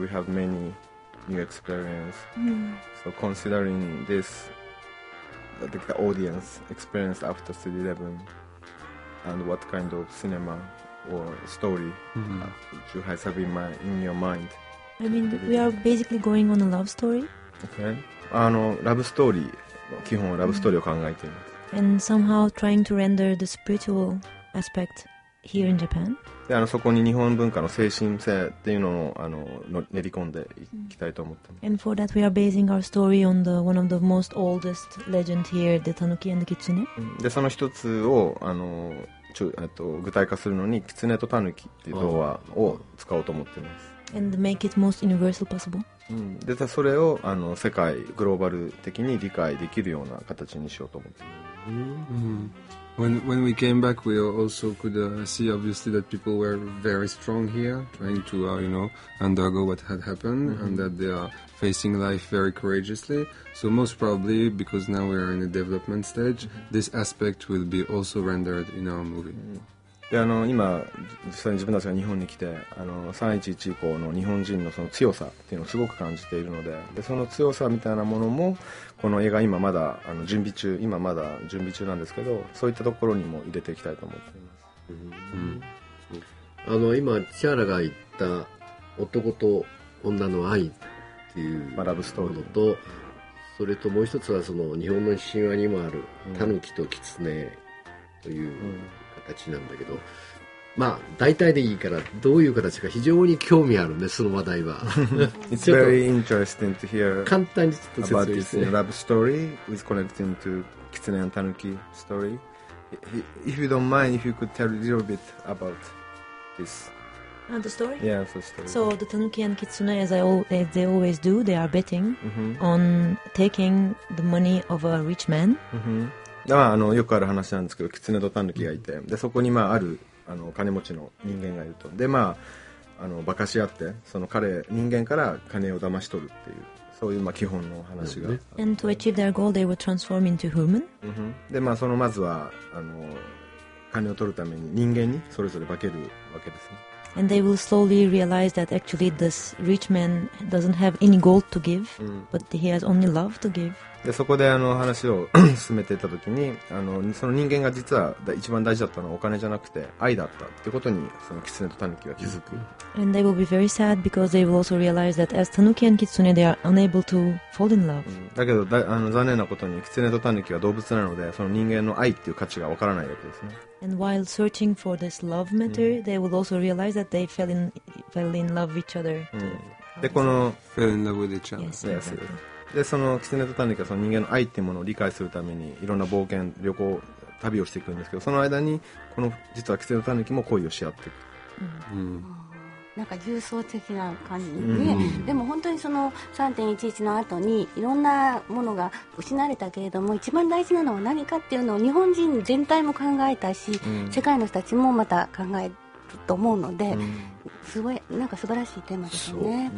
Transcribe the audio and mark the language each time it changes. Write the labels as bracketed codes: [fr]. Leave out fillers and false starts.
[en] We have many new experience. So considering this, the audience experience after 3/11, and what kind of cinema? Or story that you guys have in your mind. I mean, we are basically going on a love story. Okay. Love story. [ja] 基本ラブストーリーを考えています。 [en] And somehow trying to render the spiritual aspect here in Japan. [ja] で、あのそこに日本文化の精神性っていうのをあの練り込んでいきたいと思ってます。 [en] And for that, we are basing our story on the one of the most oldest legend here, the Tanuki and the Kitsune. [ja] で、その一つをあの。具体化するのにキツネとタヌキっていう童話を使おうと思ってます。 [en] And make it most universal possible. [ja] で、それをあの世界グローバル的に理解できるような形にしようと思ってます。 [en] When we came back, we also could see obviously that people were very strong here, trying to you know undergo what had happened, and that they are facing life very courageously. So most probably because now we are in a development stage, this aspect will be also rendered in our movie. [ja] で、あの今実際に自分たちが日本に来て、あの311以降の日本人のその強さっていうのをすごく感じているので、でその強さみたいなものもこの映画今まだあの準備中、今まだ準備中なんですけど、そういったところにも入れていきたいと思っています。あの今チャーラが言った男と女の愛っていうラブストーリーと、それともう一つはその日本の神話にもあるタヌキとキツネという、形なんだけど、まあ大体でいいからどういう形か非常に興味あるね、その話題は。 [en] It's very interesting to hear. [ja] 簡単にちょっと説明して。 [en] About this love story is connecting to Kitsune and Tanuki story. If you don't mind, if you could tell a little bit about this. And the story? Yeah, the story. So the Tanuki and Kitsune, as they always do, they are betting on taking the money of a rich man. [ja] あのよくある話なんですけど、キツネとタヌキがいて、でそこに、まあ、あるあの金持ちの人間がいると、で、まあ、あの馬鹿し合ってその彼人間から金を騙し取るっていう、そういう、まあ、基本の話が。 [en] And to achieve their goal, they would transform into human. [ja] で、まあ、そのまずはあの金を取るために人間にそれぞれ化けるわけですね。 [en] And they will slowly realize that actually this rich man doesn't have any gold to give, but he has only love to give. [ja] でそこで話を進めていた時にその人間が実は一番大事だったのはお金じゃなくて愛だったってことにそのキツネとタヌキが気づく。 [en] And they will be very sad because they will also realize that as tanuki and kitsune they are unable to fall in love、 [ja] うん、だけどだ残念なことにキツネとタヌキは動物なのでその人間の愛っていう価値がわからないわけですね。 [en] And while searching for this love matter、うん、they will also realize that they fell in love with each other、 [ja] うん、でこの [en] fell in love with each other yes, yes. [ja] でそのキツネとタヌキはその人間の愛っていうものを理解するためにいろんな冒険旅行旅をしていくんですけどその間にこの実はキツネとタヌキも恋をし合っていく、うんうん、なんか重層的な感じで、うん、でも本当にその 3.11 の後にいろんなものが失われたけれども一番大事なのは何かっていうのを日本人全体も考えたし、うん、世界の人たちもまた考えると思うので、うん、すごいなんか素晴らしいテーマですね。